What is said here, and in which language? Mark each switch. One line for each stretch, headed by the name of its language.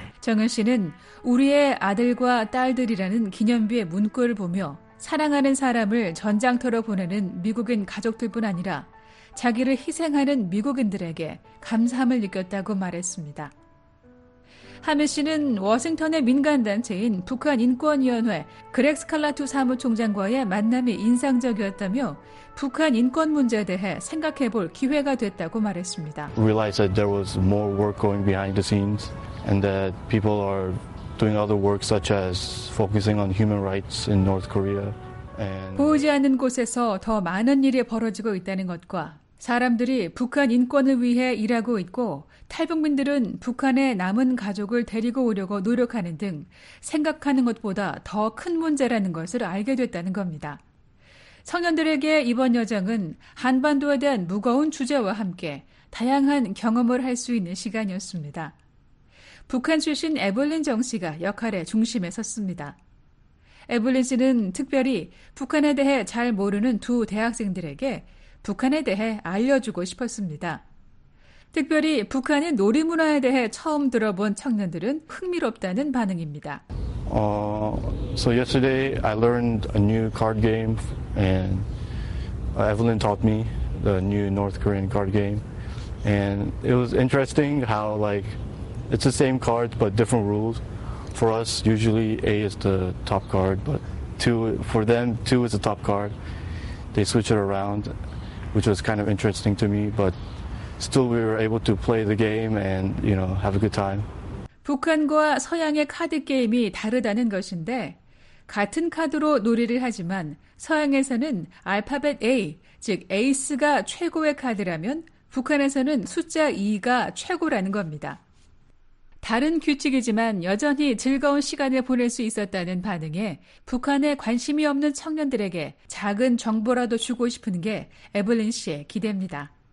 Korean: 정은 씨는 우리의 아들과 딸들이라는 기념비의 문구를 보며 사랑하는 사람을 전장터로 보내는 미국인 가족들뿐 아니라 자기를 희생하는 미국인들에게 감사함을 느꼈다고 말했습니다. 하메 씨는 워싱턴의 민간단체인 북한인권위원회 그렉 스칼라투 사무총장과의 만남이 인상적이었다며 북한 인권 문제에 대해 생각해 볼 기회가 됐다고 말했습니다.
English: Realized that there was more work going behind the scenes and that people are doing other work such as focusing on human rights in North Korea. And
Korean: 보이지 않는 곳에서 더 많은 일이 벌어지고 있다는 것과 사람들이 북한 인권을 위해 일하고 있고 탈북민들은 북한의 남은 가족을 데리고 오려고 노력하는 등 생각하는 것보다 더 큰 문제라는 것을 알게 됐다는 겁니다. 청년들에게 이번 여정은 한반도에 대한 무거운 주제와 함께 다양한 경험을 할 수 있는 시간이었습니다. 북한 출신 에블린 정 씨가 역할의 중심에 섰습니다. 에블린 씨는 특별히 북한에 대해 잘 모르는 두 대학생들에게 북한에 대해 알려주고 싶었습니다. 특별히 북한의 놀이문화에 대해 처음 들어본 청년들은 흥미롭다는 반응입니다.
English: So yesterday I learned a new card game and Evelyn taught me the new North Korean card game and it was interesting how like it's the same card but different rules. For us usually A is the top card but for them 2 is the top card. They switch it around. Which was kind of interesting to me, but still we were able to play the game and, you know, have a good time.
Korean: 북한과 서양의 카드 게임이 다르다는 것인데 같은 카드로 놀이를 하지만 서양에서는 알파벳 A, 즉 에이스가 최고의 카드라면 북한에서는 숫자 2가 최고라는 겁니다. 다른 규칙이지만 여전히 즐거운 시간을 보낼 수 있었다는 반응에 북한에 관심이 없는 청년들에게 작은 정보라도 주고 싶은 게 에블린 씨의 기대입니다.